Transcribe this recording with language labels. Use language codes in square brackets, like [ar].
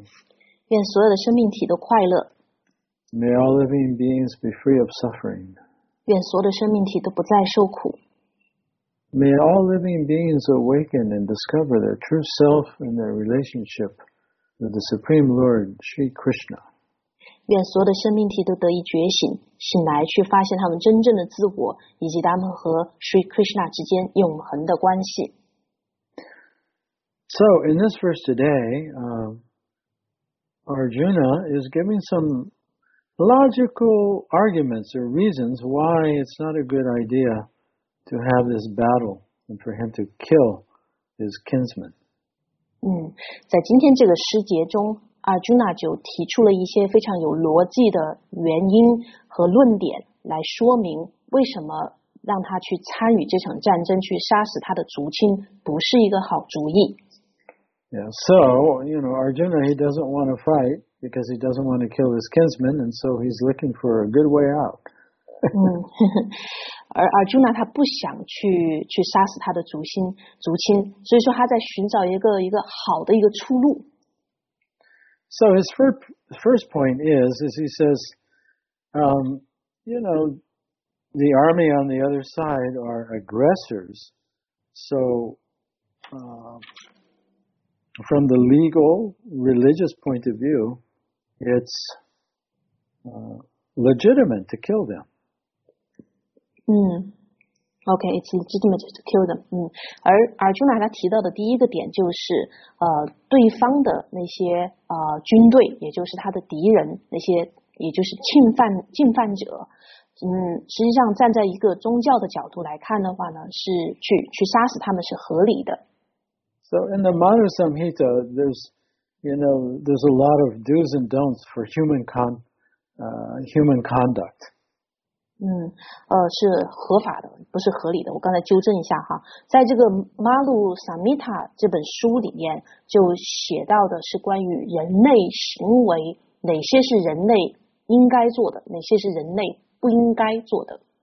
[zh] 愿所有的生命体都快乐 [en] May all living beings be free of suffering. [zh] 愿所有的生命体都不再受苦 [en] May all living beings awaken and discover their true self and their relationshipWith the Supreme Lord, Sri Krishna. [zh] 愿所有的生命体都得以觉醒，醒来去发现他们真正的自我，以及他们和 Sri Krishna 之间永恒的关系。 [en] So, in this verse today, Arjuna is giving some logical arguments or reasons why it's not a good idea to have this battle and for him to kill his kinsmen. [zh] 在今天这个诗节中 ,Arjuna 就提出了一些非常有逻辑的原因和论点来说明为什么让他去参与这场战争去杀死他的族亲不是一个好主意。 [en] Yeah, so, you know, Arjuna, he doesn't want to fight because he doesn't want to kill his kinsmen, and so he's looking for a good way out. [zh] 而 Arjuna 他不想 去杀死他的族亲所以说他在寻找一个好的一个出路 [en] So his first point is he says you know the army on the other side are aggressors so from the legal religious point of view it's legitimate to kill them Okay, it's legitimate to kill them. [zh] 而 Arjuna 他提到的第一个点就是对方的那些军队也就是他的敌人那些也就是侵犯者实际上站在一个宗教的角度来看的话呢是去杀死他们是合理的。 [en] So in the modern Samhita, there's you know, there's a lot of do's and don'ts for human conduct. [zh] 是合法的，不是合理的。我刚才纠正一下哈，在这个《马路萨米塔》这本书里面就写到的是关于人类行为，哪些是人类应该做的，哪些是人类不应该做的。